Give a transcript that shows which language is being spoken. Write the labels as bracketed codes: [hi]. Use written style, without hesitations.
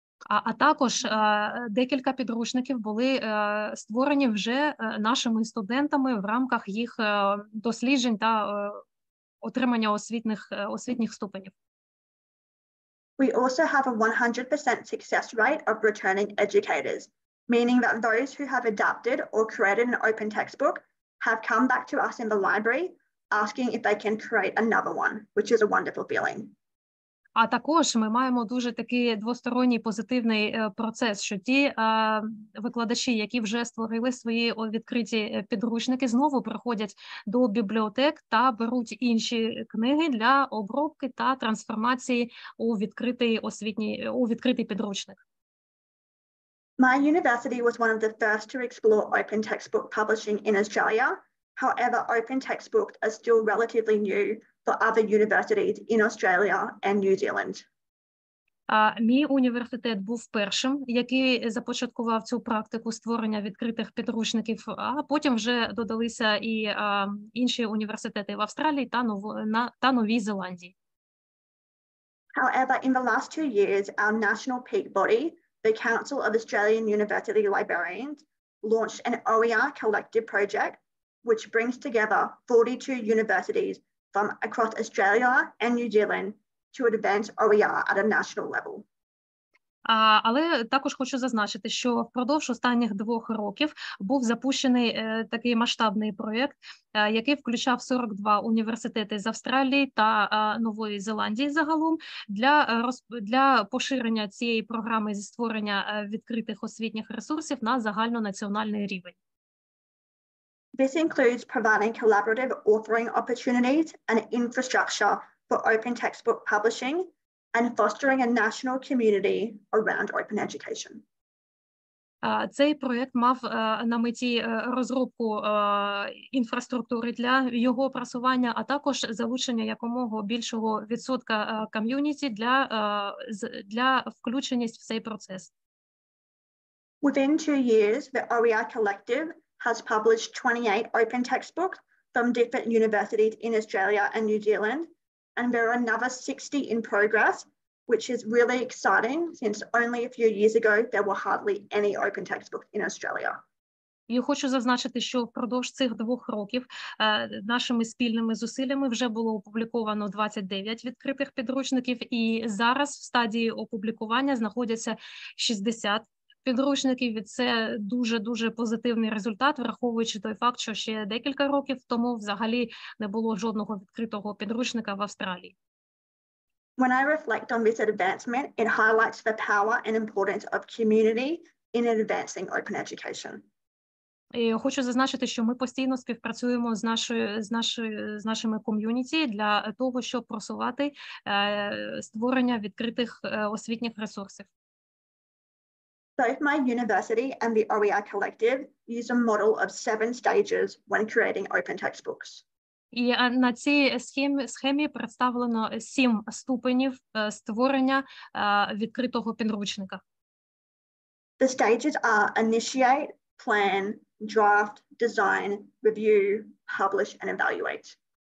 [uk] А також декілька підручників були створені вже нашими студентами в рамках їх досліджень та отримання освітніх ступенів. [en] We also have a 100% success rate of returning educators, meaning that those who have adapted or created an open textbook have come back to us in the library asking if they can create another one, which is a wonderful feeling. [uk] А також ми маємо дуже такий двосторонній позитивний процес, що ті викладачі, які вже створили свої відкриті підручники, знову приходять до бібліотек та беруть інші книги для обробки та трансформації у відкритий підручник. [en] My university was one of the first to explore open textbook publishing in Australia. However, open textbooks are still relatively new for other universities in Australia and New Zealand. [uk] Мій університет був першим, який започаткував цю практику створення відкритих підручників, а потім вже додалися і інші університети в Австралії та Новій Зеландії. [en] However, in the last 2 years, our national peak body, the Council of Australian University Librarians, launched an OER collective project, which brings together 42 universities from across Australia and New Zealand to advance OER at a national level. [uk] Але також хочу зазначити, що впродовж останніх 2 років був запущений такий масштабний проєкт, який включав 42 університети з Австралії та Нової Зеландії загалом для поширення цієї програми зі створення відкритих освітніх ресурсів на загальнонаціональний рівень. [en] This includes providing collaborative authoring opportunities and infrastructure for open textbook publishing and fostering a national community around open education. [uk] Цей проєкт мав на меті розробку інфраструктури для його просування, а також залучення якомога більшого відсотка ком'юніті для включеність в цей процес. [en] Within 2 years, the OER Collective has published 28 open textbooks from different universities in Australia and New Zealand, and there are another 60 in progress, which is really exciting since only a few years ago there were hardly any open textbooks in Australia. [uk] Я хочу зазначити, що впродовж цих 2 років нашими спільними зусиллями вже було опубліковано 29 відкритих підручників, і зараз в стадії опублікування знаходяться 60 підручників, і це дуже-дуже позитивний результат, враховуючи той факт, що ще декілька років тому взагалі не було жодного відкритого підручника в Австралії. [en] When I reflect on this advancement, it highlights the power and importance of community in advancing open education. [uk] І хочу зазначити, що ми постійно співпрацюємо з нашими ком'юніті для того, щоб просувати створення відкритих освітніх ресурсів. [en] Both my university and the OER Collective use a model of 7 stages when creating open textbooks. [uk] І на цій схемі представлено 7 ступенів створення відкритого підручника. [en] The stages are initiate, plan, draft, design, review, publish and evaluate.